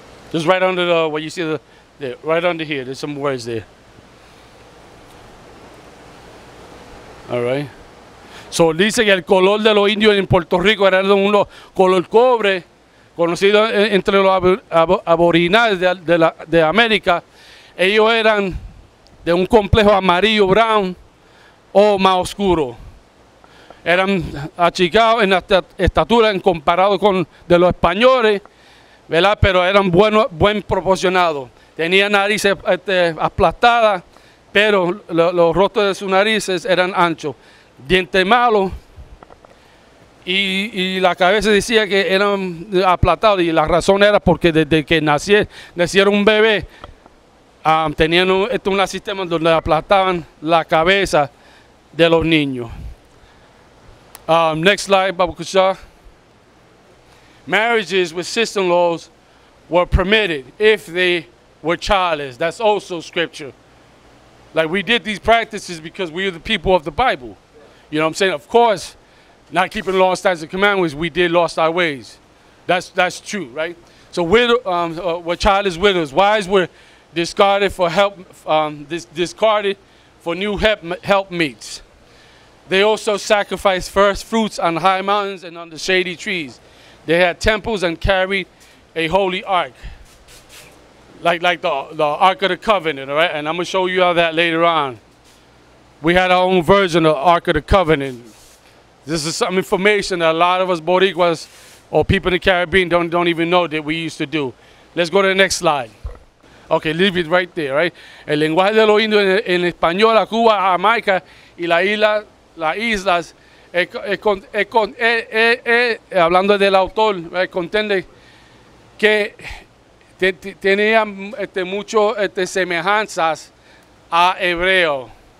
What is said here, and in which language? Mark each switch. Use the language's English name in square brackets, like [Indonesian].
[English] Just right under the, what you see, there, right under here, there's some words there. All right. [Spanish] So, dice que el color de los indios en Puerto Rico era de un color cobre, conocido entre los aborigenes de América. Ellos eran de un complejo amarillo, brown, o más oscuro. Eran achicados en la estatura en comparado con de los españoles, ¿verdad? Pero eran buen proporcionados. Tenían narices aplastadas, pero los rostros de sus narices eran anchos. Dientes malos y la cabeza decía que eran aplastados. Y la razón era porque desde que nacieron un bebé, tenían un sistema donde aplastaban la cabeza de los niños. [English] Next slide, Babu Kusha. Marriages with sister-in-laws were permitted if they were childless. That's also scripture. Like, we did these practices because we are the people of the Bible. You know what I'm saying? Of course, not keeping the law, statutes, and commandments, we did lost our ways. That's true, right? So were childless widows. Wives were discarded for help. Discarded for new help meets. They also sacrificed first fruits on high mountains and under shady trees. They had temples and carried a holy ark, like the Ark of the Covenant, all right? And I'm going to show you all that later on. We had our own version of the Ark of the Covenant. This is some information that a lot of us Boricuas or people in the Caribbean don't even know that we used to do. Let's go to the next slide. Okay, leave it right there, right? [Spanish] El lenguaje de los indios en español, a Cuba, a Jamaica y la isla. Las islas, hablando del autor, contiene que tenían muchas semejanzas a hebreo.